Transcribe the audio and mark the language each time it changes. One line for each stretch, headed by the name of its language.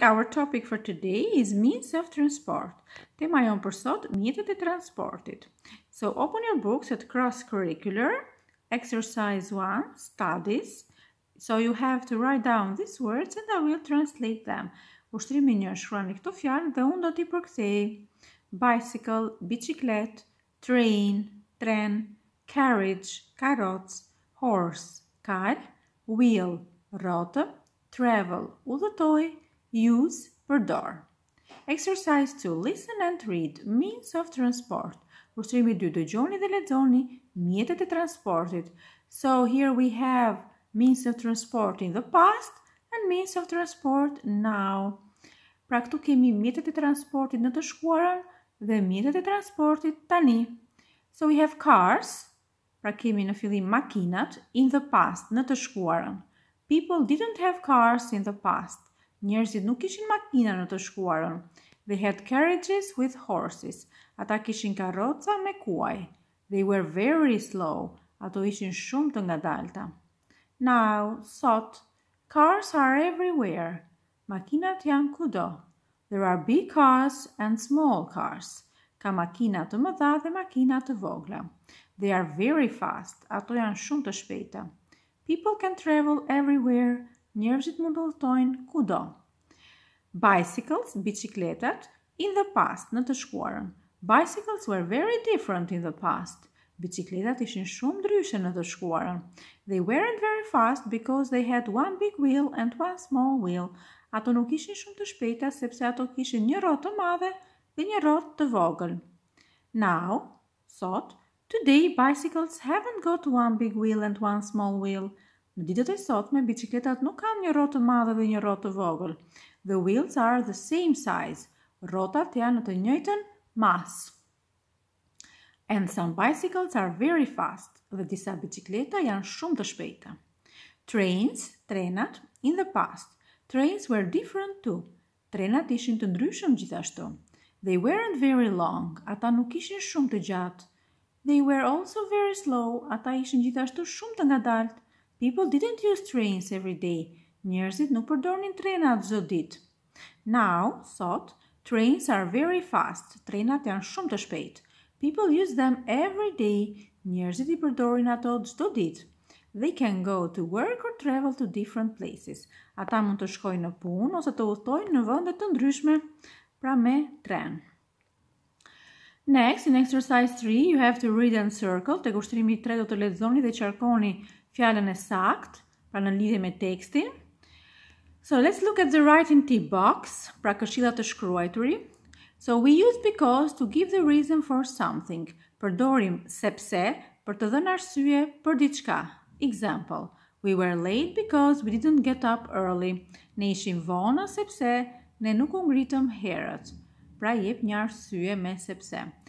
English: Our topic for today is means of transport.
Albanian: Tema jonë për sot, mjetet e transportit.
English: So open your books at cross curricular, exercise 1, studies. So you have to write down these words and I will translate them.
Albanian: Ushtrimi 1, shkruani këto fjalë dhe unë do t'i përkthej.
English: Bicycle, biciklet, train, tren, carriage, karrocë, horse, kal, wheel, rrotë. Travel, udhëtoj, use, përdor. Exercise 2, listen and read, means of transport.
Albanian: Ushtrimi 2, dëgjoni dhe lexoni, mjetet e transportit.
English: So, here we have means of transport in the past and means of transport now.
Albanian: Pra, këtu kemi mjetet e transportit në të shkuarën dhe mjetet e transportit tani.
English: So, we have cars,
Albanian: pra kemi në fillim makinat,
English: in the past,
Albanian: në të shkuarën.
English: People didn't have cars in the past.
Albanian: Njerëzit nuk kishin makina në të shkuarën.
English: They had carriages with horses.
Albanian: Ata kishin karroca me kuaj.
English: They were very slow.
Albanian: Ato ishin shumë të ngadalta.
English: Now, sot, cars are everywhere.
Albanian: Makinat janë kudo.
English: There are big cars and small cars.
Albanian: Ka makina të mëdha dhe makina të vogla.
English: They are very fast.
Albanian: Ato janë shumë të shpejta.
English: People can travel everywhere,
Albanian: njerëzit mund udhëtojnë kudo.
English: Bicycles, bicikletat, in the past,
Albanian: në të shkuarën.
English: Bicycles were very different in the past.
Albanian: Bicikletat ishin shumë ndryshe në të shkuarën.
English: They weren't very fast because they had one big wheel and one small wheel.
Albanian: Ato nuk ishin shumë të shpejta sepse ato kishin një rrotë të madhe dhe një rrotë të vogël.
English: Now, sot, today, bicycles haven't got one big wheel and one small wheel.
Albanian: Në ditët e sotme, bicikletat nuk kanë një rrotë të madhe dhe një rrotë të vogël.
English: The wheels are the same size.
Albanian: Rrotat janë të njëjtën mas.
English: And some bicycles are very fast.
Albanian: Dhe disa bicikleta janë shumë të shpejta.
English: Trains, trenat, in the past. Trains were different too.
Albanian: Trenat ishin të ndryshëm gjithashtu.
English: They weren't very long.
Albanian: Ata nuk ishin shumë të gjatë.
English: They were also very slow,
Albanian: ata ishin gjithashtu shumë të ngadalt.
English: People didn't use trains every day.
Albanian: Njerëzit nuk përdornin trenat çdo ditë.
English: Now, sot, trains are very fast.
Albanian: Trenat janë shumë të shpejt.
English: People use them every day.
Albanian: Njerëzit i përdorin ato çdo ditë.
English: They can go to work or travel to different places.
Albanian: Ata mund të shkojnë në punë ose të udhtojnë në vende të ndryshme, pra me tren.
English: Next, in exercise 3, you have to read and circle.
Albanian: Tek ushtrimi 3 do të lexoni dhe qarkoni fjalën e sakt, pra në lidhje me tekstin.
English: So, let's look at the writing tip box,
Albanian: pra këshillat të shkruajturi.
English: So, we use because to give the reason for something.
Albanian: Përdorim sepse për të dhënë arsye për diçka.
English: Example, we were late because we didn't get up early.
Albanian: Ne ishim vonë sepse ne nuk u ngritëm herët. Pra jep një arsye me sepse.